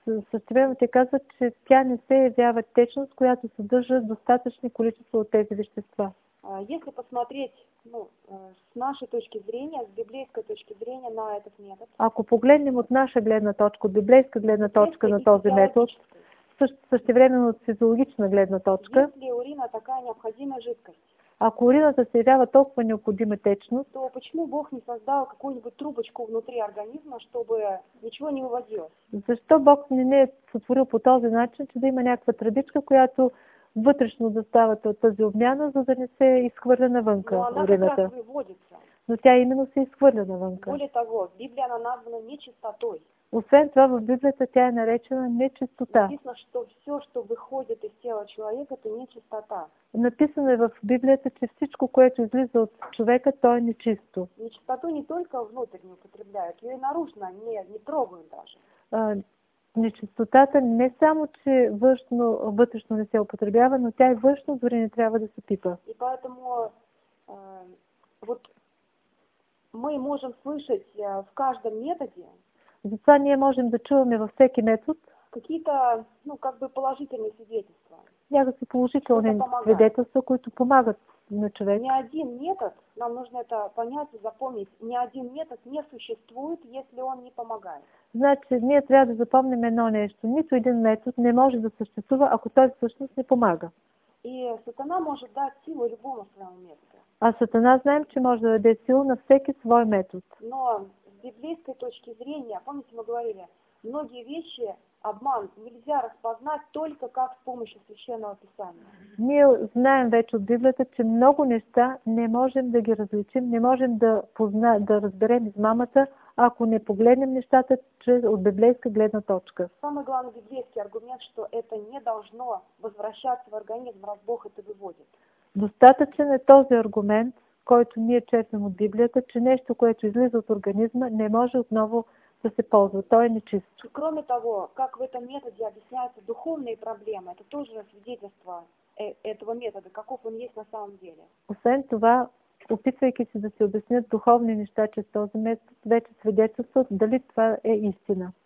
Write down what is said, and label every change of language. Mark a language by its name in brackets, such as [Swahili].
[Bulgarian] Същевременно те казват, че тя не се явява течност, която съдържа достатъчно количество от тези вещества. [Russian] Если посмотреть ну, с нашей точки зрения, с библейской точки зрения на этот метод. [Bulgarian] Ако погледнем от наша гледна точка, от библейска гледна точка на този метод, същевременно от физиологична гледна точка. [Russian] Если урина такая необходимая жидкость. [Bulgarian] Ако урината се явява толкова необходима течност, [Russian] то почему Бог не создал какую-нибудь трубочку внутри организма, чтобы ничего не выводилось? [Bulgarian] Защо Бог не е сътворил по този начин, че да има някаква тръбичка, която вътрешно заставате от тази обмяна, за да не се изхвърля навънка урината. Но тя именно се изхвърля навънка. [Russian] Более того, Библия она названа нечистотой. [Bulgarian] Освен това в Библията тя е наречена нечистота. [Russian] Написано, [Ukrainian] що все, що виходить [Russian] из тела человека, это нечистота. [Bulgarian] Написано в Библията, че всичко, което излиза от човека, то е нечисто. [Russian] Нечистоту не только внутреннюю употребляют, ее и наружно не трогают даже. [Bulgarian] Нечистотата не само, че външно, вътрешно не се употребява, но тя и външно дори не трябва да се пипа. [Russian] И поэтому вот мы можем слышать в каждом методе. [Bulgarian] Затова ние можем да чуваме във всеки метод [Russian] какие-то, ну, как бы положительные свидетельства. [Bulgarian] Някакви положителни свидетелства, които помагат на човека. [Russian] Ни один метод, нам нужно это понять и запомнить, ни один метод не существует, если он не помогает. [Bulgarian] Значи, ние трябва да запомним едно нещо. Нито един метод не може да съществува, ако той всъщност не помага. [Russian] И сатана може да дать силу любому своему методу. [Bulgarian] А сатана знаем, че може да даде силу на всеки свой метод. [Russian] Но с библейской точки зрения, помните, мы говорили, многие вещи, обман, нельзя распознать только как с помощью священного писания. [Bulgarian] Ние знаем вече от Библията, че много неща не можем да ги различим, не можем да познаем, да разберем измамата, ако не погледнем нещата чрез от библейска гледна точка. [Russian] Самый главный библейский аргумент, что это не должно возвращаться в организм, раз Бог это выводит. [Bulgarian] Достатъчен е този аргумент, който ние четем от Библията, че нещо, което излиза от организма, не може отново да се ползва. То е нечисто. [Russian] Кроме того, как в этом методе объясняются духовные проблемы, это тоже свидетельство этого метода, каков он есть на самом деле. [Bulgarian] Освен това, опитвайки се да се обяснят духовни неща, че с този метод вече свидетелстват дали това е истина.